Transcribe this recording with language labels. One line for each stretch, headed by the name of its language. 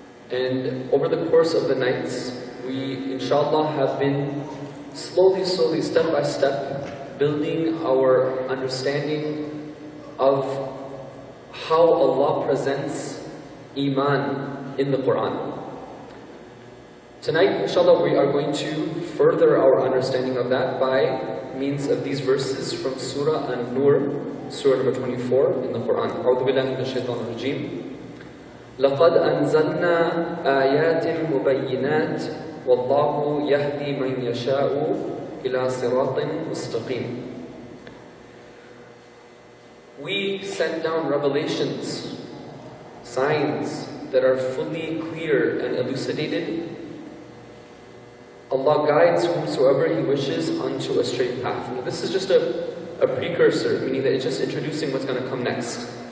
English: And over the course of the nights, we, inshallah, have been slowly, slowly, step by step, building our understanding of how Allah presents Iman in the Quran. Tonight, inshallah, we are going to further our understanding of that by means of these verses from Surah An-Nur, Surah number 24 in the Quran.
Arabic: A'udhu billahi minash shaitanir rajeem. لقد أنزلنا آيات مبينات والله يهدي من يشاء إلى صراط مستقيم.
English: We sent down revelations, signs that are fully clear and elucidated. Allah guides whomsoever He wishes onto a straight path. Now this is just a precursor, meaning that it's just introducing what's going to come next.